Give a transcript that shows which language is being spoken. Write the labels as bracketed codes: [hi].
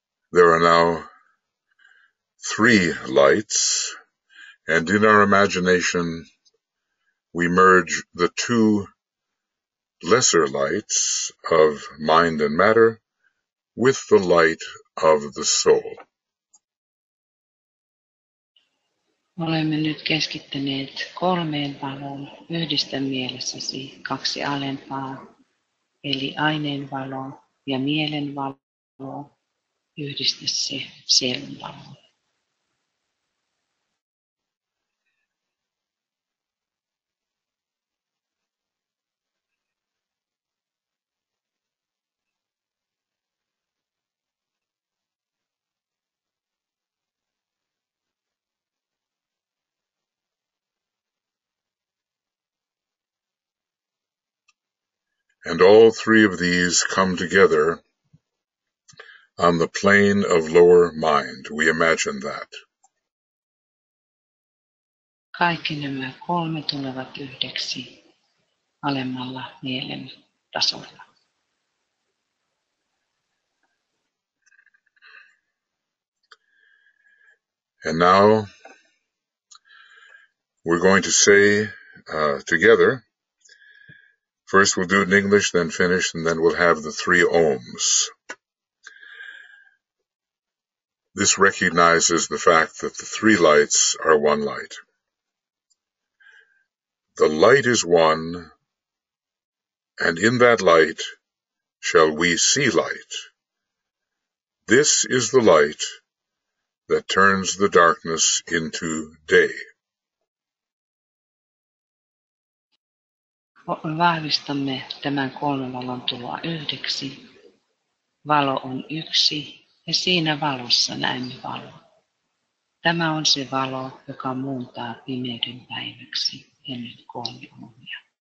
[en] There are now three lights, and in our imagination, we merge the two lesser lights of mind and matter with the light of the soul. [fi] Olemme nyt keskittyneet kolmeen valoon. Yhdistä mielessäsi kaksi alempaa, eli aineen valo ja mielen valo. Yhdistä se sielun valoon. [en] And all three of these come together on the plane of lower mind. We imagine that. [fi] Kaikki nämä kolme tulevat yhdeksi alemmalla mielen tasolla. [en] And now we're going to say together. First we'll do it in English, then Finnish, and then we'll have the three ohms. This recognizes the fact that the three lights are one light. The light is one, and in that light shall we see light. This is the light that turns the darkness into day. [fi] Vahvistamme tämän kolmen valon tuloa yhdeksi. Valo on yksi, ja siinä valossa näemme valo. Tämä on se valo, joka muuntaa pimeyden päiväksi, ja nyt kolme omia.